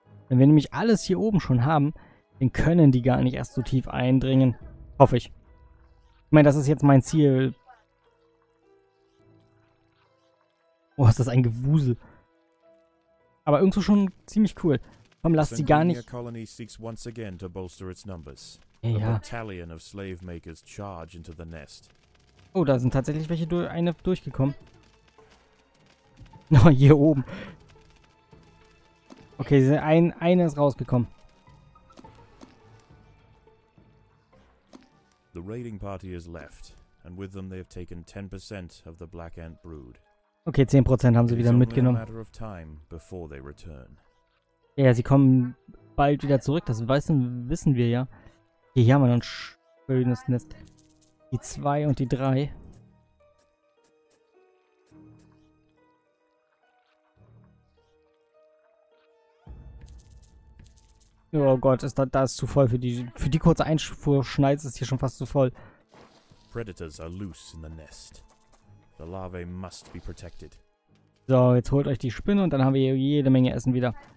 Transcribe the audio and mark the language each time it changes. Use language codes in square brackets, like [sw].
[de] Wenn wir nämlich alles hier oben schon haben, dann können die gar nicht erst so tief eindringen. Hoffe ich. Ich meine, das ist jetzt mein Ziel. Oh, ist das ein Gewusel. Aber irgendwo schon ziemlich cool. Komm, lass sie gar nicht... [en] Colony seeks once again to bolster its numbers. Ja. A battalion of slave makers charge into the nest. [de] Oh, da sind tatsächlich welche eine durchgekommen. Na, hier oben. Okay, eine ist rausgekommen. [en] The raiding party is left, and with them they have taken 10% of the Black Ant brood. [de] Okay, 10% haben sie wieder mitgenommen. [en] Matter of time before they return. [de] Ja, sie kommen bald wieder zurück. Das wissen wir ja. Hier haben wir noch ein schönes Nest. Die 2 und die 3. Oh Gott, ist das zu voll für die kurze Einfuhr. Schneid ist hier schon fast zu voll. [en] Predators are loose in the nest. The larvae must be protected. [de] So, jetzt holt euch die Spinne und dann haben wir hier jede Menge Essen wieder.